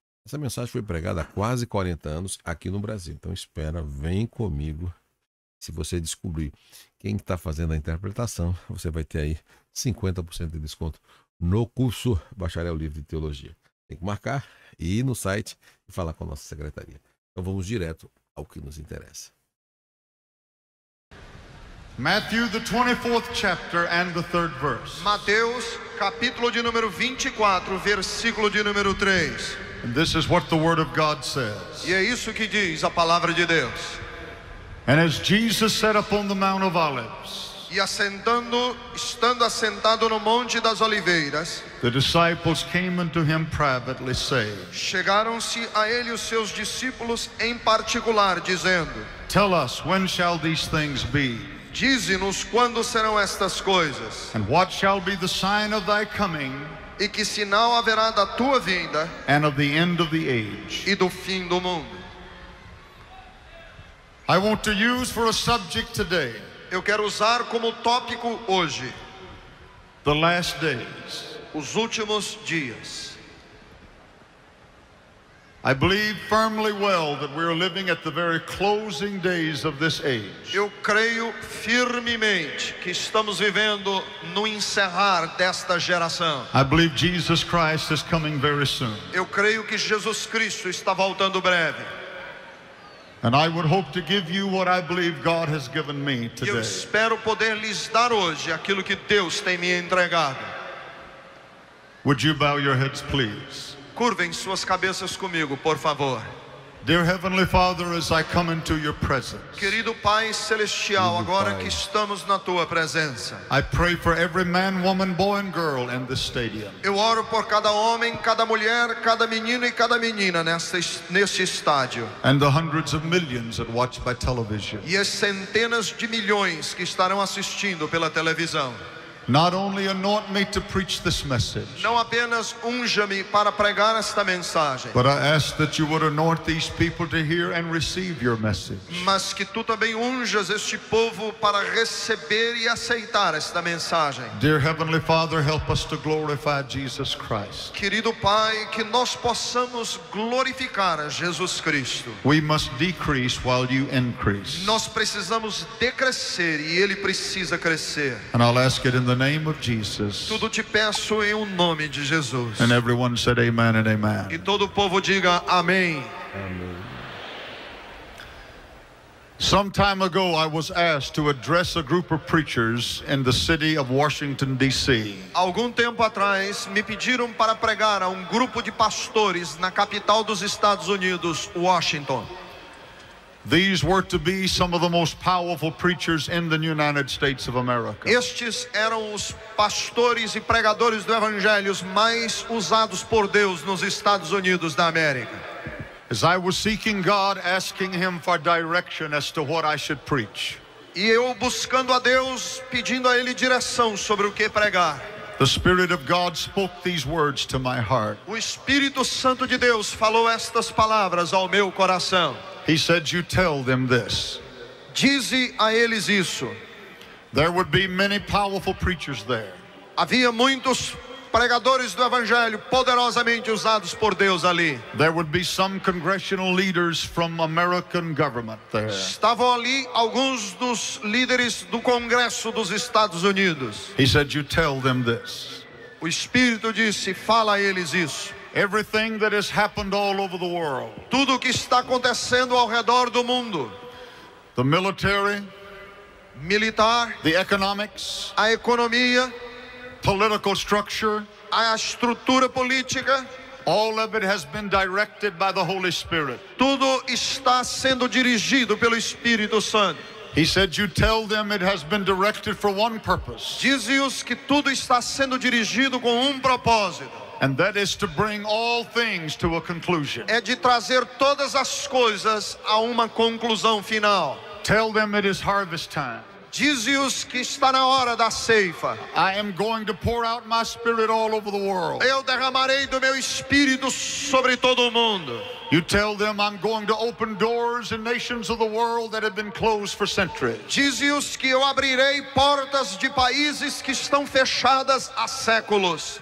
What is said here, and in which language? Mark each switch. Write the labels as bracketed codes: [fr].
[pt] Essa mensagem foi pregada há quase 40 anos aqui no Brasil. Então espera, vem comigo. Se você descobrir quem está fazendo a interpretação, você vai ter aí 50% de desconto no curso Bacharel Livre de Teologia. Tem que marcar e ir no site e falar com a nossa secretaria. Então vamos direto ao que nos interessa. [en] Matthew, the 24th chapter and the 3rd verse. [pt] Mateus, capítulo de número 24, versículo de número 3. [en] And this is what the word of God says. [pt] E é isso que diz a palavra de Deus. [en] And as Jesus sat upon the Mount of Olives, [pt] e estando assentado no Monte das Oliveiras, [en] the disciples came unto him privately, saying, [pt] chegaram-se a ele os seus discípulos em particular, dizendo, [en] tell us, when shall these things be? [pt] Dize-nos quando serão estas coisas. [en] And what shall be the sign of thy coming? [pt] E que sinal haverá da tua vinda? [en] And of the end of the age? [pt] E do fim do mundo? [en] I want to use for a subject today. [pt] Eu quero usar como tópico hoje. [en] The last days. [pt] Os últimos dias. [en] I believe firmly well that we are living at the very closing days of this age. [pt] Eu creio firmemente que estamos vivendo no encerrar desta geração. [en] I believe Jesus Christ is coming very soon. [pt] Eu creio que Jesus Cristo está voltando breve. [en] And I would hope to give you what I believe God has given me today. [pt] Eu espero poder lhes dar hoje aquilo que Deus tem me entregado. [en] Would you bow your heads, please? [pt] Curvem suas cabeças comigo, por favor. [en] Dear Heavenly Father, as I come into your presence. [pt] Querido Pai Celestial, agora que estamos na tua presença. [en] I pray for every man, woman, boy and girl in this stadium. [pt] Eu oro por cada homem, cada mulher, cada menino e cada menina neste estádio. [en] And the hundreds of millions that watch by television. [pt] E as centenas de milhões que estarão assistindo pela televisão. [en] Not only anoint me to preach this message. [pt] Não apenas unja-me para pregar esta mensagem. [en] But I ask that you would anoint these people to hear and receive your message. [pt] Mas que tu também unjas este povo para receber e aceitar esta mensagem. [en] Dear Heavenly Father, help us to glorify Jesus Christ. [pt] Querido Pai, que nós possamos glorificar a Jesus Cristo. [en] We must decrease while you increase. [pt] Nós precisamos decrescer e ele precisa crescer. [en] And I'll ask it in the name of Jesus. [pt] Tudo te peço em nome de Jesus. [en] And everyone said amen and amen. [pt] E todo o povo diga amém. [en] Some time ago I was asked to address a group of preachers in the city of Washington D.C. [pt] Algum tempo atrás me pediram para pregar a grupo de pastores na capital dos Estados Unidos, Washington. [en] These were to be some of the most powerful preachers in the United States of America. [pt] Estes eram os pastores e pregadores do evangelho mais usados por Deus nos Estados Unidos da América. [en] As I was seeking God, asking him for direction as to what I should preach. [pt] E eu buscando a Deus, pedindo a ele direção sobre o que pregar. [en] The Spirit of God spoke these words to my heart. [pt] O Espírito Santo de Deus falou estas palavras ao meu coração. [en] He said, you tell them this. [pt] Dize a eles isso. [en] There would be many powerful preachers there. [pt] Havia muitos pregadores do evangelho poderosamente usados por Deus ali. [en] There would be some congressional leaders from American government there. [pt] Estavam ali alguns dos líderes do Congresso dos Estados Unidos. [en] He said, you tell them this. [pt] O Espírito disse, fala a eles isso. [en] Everything that has happened all over the world. [pt] Tudo o que está acontecendo ao redor do mundo. [en] The military. [pt] Militar. [en] The economics. [pt] A economia. [en] Political structure. [pt] A estrutura política. [en] All of it has been directed by the Holy Spirit. [pt] Tudo está sendo dirigido pelo Espírito Santo. [en] He said, you tell them it has been directed for one purpose. [pt] Dize-os que tudo está sendo dirigido com propósito. [en] And that is to bring all things to a conclusion. [pt] É de trazer todas as coisas a conclusão final. [en] Tell them it is harvest time. [pt] Dize-os que está na hora da ceifa. [en] I am going to pour out my spirit all over the world. [pt] Eu derramarei do meu espírito sobre todo o mundo. [en] You tell them I'm going to open doors in nations of the world that have been closed for centuries. [pt] Dize-os que eu abrirei portas de países que estão fechadas há séculos.